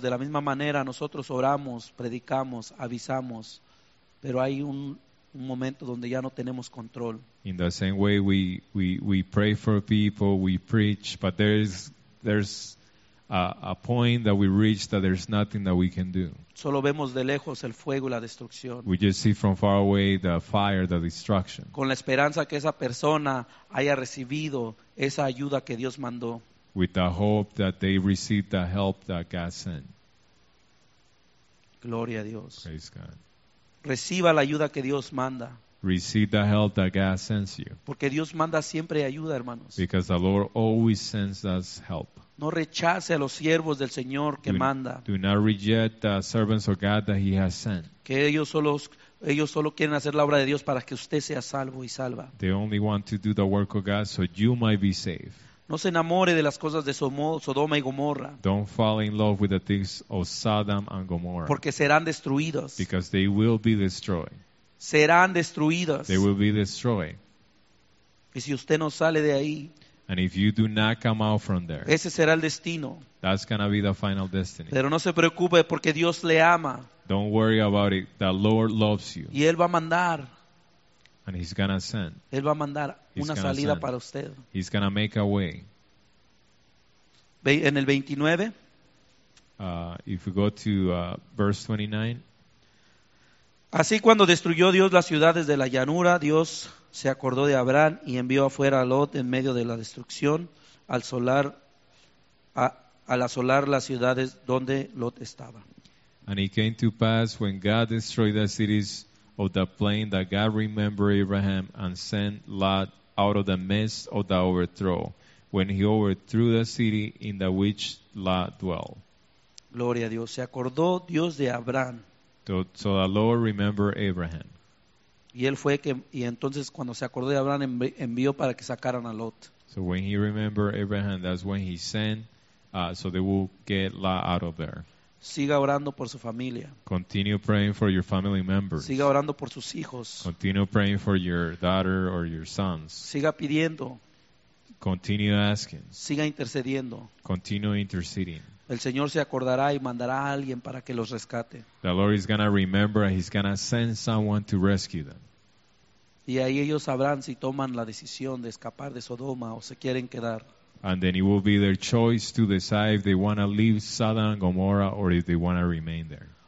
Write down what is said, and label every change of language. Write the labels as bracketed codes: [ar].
[es] De la misma manera, nosotros oramos, predicamos, avisamos, pero hay un momento donde ya no tenemos control. [en] In the same way, we pray for people, we preach, but there's a point that we reach that there's nothing that we can do. [es] Solo vemos de lejos el fuego y la destrucción. [en] We just see from far away the fire, the destruction. [es] Con la esperanza que esa persona haya recibido esa ayuda que Dios mandó. [en] With the hope that they received the help that God sent. [es] Gloria a Dios. [en] Praise God. [es] Reciba la ayuda que Dios manda. [en] Receive the help that God sends you. [es] Porque Dios manda siempre ayuda, hermanos. [en] Because the Lord always sends us help. [es] No rechace a los siervos del Señor que manda. [en] Do not reject the servants of God that He has sent. [es] Que ellos solo quieren hacer la obra de Dios para que usted sea salvo y salva. [en] They only want to do the work of God so you might be saved. [es] No se enamore de las cosas de Sodoma y Gomorra. [en] Don't fall in love with the things of Sodom and Gomorrah. [es] Porque serán destruidos. [en] Because they will be destroyed. [es] Serán destruidos. [en] They will be destroyed. [es] Y si usted no sale de ahí, [en] and if you do not come out from there, [es] ese será el destino. [en] That's going to be the final destiny. [es] Pero no se preocupe porque Dios le ama. [en] Don't worry about it. The Lord loves you. [es] Y Él va a mandar. [en] And He's going to send. [es] Él va a mandar una salida para usted. [en] He's going to make a way. [es] En el 29. [en] If we go to verse 29. [es] Así cuando destruyó Dios las ciudades de la llanura, Dios se acordó de Abraham y envió afuera a Lot en medio de la destrucción al asolar las ciudades donde Lot estaba. [en] And it came to pass when God destroyed the cities of the plain that God remembered Abraham and sent Lot out of the midst of the overthrow, when he overthrew the city in the which Lot dwelt. [es] Gloria a Dios. Se acordó Dios de Abraham. [en] So the Lord remembered Abraham. [es] Y él fue que, y entonces cuando se acordó de Abraham, envió para que sacaran a Lot. [en] So when he remembered Abraham, that's when he sent, so they will get Lot out of there. [es] Siga orando por su familia. [en] Continue praying for your family members. [es] Siga orando por sus hijos. [en] Continue praying for your daughter or your sons. [es] Siga pidiendo. [en] Continue asking. [es] Siga intercediendo. [en] Continue interceding. [es] El Señor se acordará y mandará a alguien para que los rescate. [en] The Lord is going to remember and He's going to send someone to rescue them. [es] Y ahí ellos sabrán si toman la decisión de escapar de Sodoma o se quieren quedar. [en] And then it will be their choice to decide if they want to leave Sodom and Gomorrah or if they want to remain there.